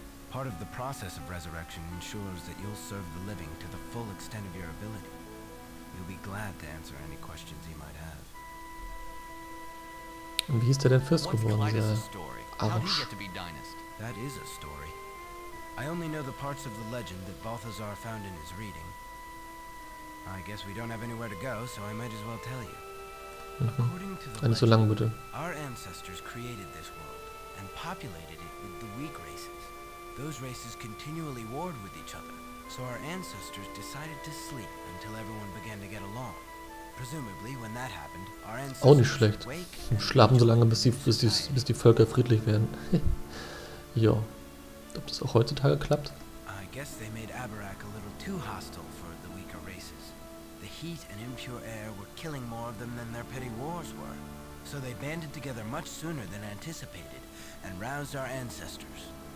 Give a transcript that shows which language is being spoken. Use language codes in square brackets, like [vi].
[en] Part of the process of resurrection ensures that you'll serve the living to the full extent of your ability. You'll be glad to answer any questions you might have. [de] Und wie ist der denn Fürst geworden, dieser Arsch? [en] That is a story. I only know the parts of the legend that Balthazar found in his reading. I guess we don't have anywhere to go, so I might as well tell you. According to the legend, our ancestors created this world and populated it with the weak races. Those races continually warred with each other, so our ancestors decided to sleep until everyone began to get along. Presumably, when that happened, our ancestors [de] auch nicht schlecht. Schlafen so lange, bis die Völker friedlich werden. Ja, ob das auch heutzutage klappt? [en] I guess they made Abarak a little too hostile for the weaker races. The heat and impure air were killing more of them than their petty wars were. So they banded together much sooner than anticipated and roused our ancestors.